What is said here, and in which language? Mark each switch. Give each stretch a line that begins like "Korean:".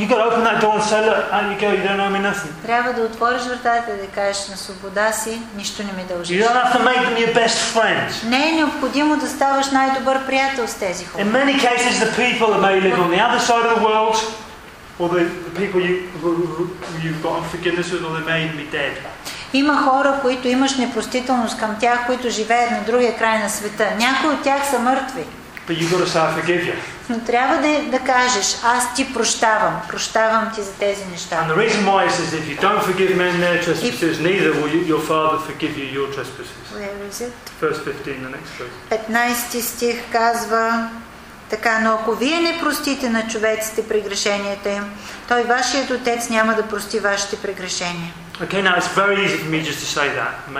English: You got to open that door and say, look, out you go, you don't owe me nothing.
Bulgarian: Трябва да отвориш вратата и да кажеш: на свобода си, нищо не ми дължиш.
English: You don't have to make them your best friend.
Bulgarian: Не е необходимо да ставаш най-добър приятел с тези хора.
English: In many cases, the people that may live on the other side of the world, or the people you've got unforgiveness with, or they may even be dead.
Bulgarian: Има хора, които имаш непростителност към тях, които живеят на другия край на света. Някои от тях са мъртви.
English: But you've got to say, I forgive you.
Bulgarian: Но трябва да кажеш: аз ти прощавам. Прощавам ти за тези неща.
English: And the reason why is if you don't forgive men their trespasses, neither will your father forgive you your trespasses. Where is it? First 15, the next verse.
Bulgarian: 15 стих казва: така, но ако вие не простите на човеците прегрешенията им, той вашият отец няма да прости вашите прегрешения.
English: Okay, now it's very easy for me just to say that.